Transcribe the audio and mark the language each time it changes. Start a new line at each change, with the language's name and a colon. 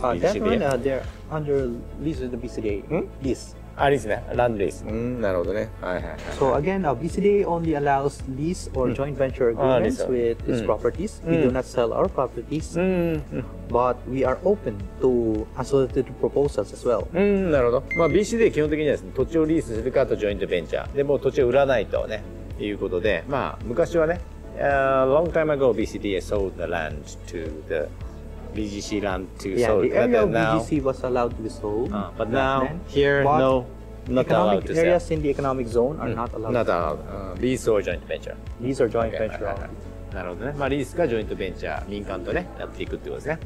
English: They're under lease with the BCDA.
Japanese: ありですね。ランドリース。なるほどね。はいはいはい。
English: So again, BCDA only allows lease or joint venture agreements with its properties. We do not sell our properties. But we are open to unsolicited proposals as well.
Japanese: なるほど。まあ BCDA 基本的にはですね、土地をリースするかとジョイントベンチャー。でも土地を売らないとね、いうことで。まあ昔はね、
English: long time ago BCDA sold the land to the BGC land to sold. Yeah, the area of BGC was allowed to be sold. But now, here, no, not allowed to sell. Economic areas in the economic zone are not allowed. Not allowed. Lease or joint venture. Lease or joint venture.
Japanese: なるほどね。まあ、リースかジョイントベンチャー、民間とね、やっていくってことですね。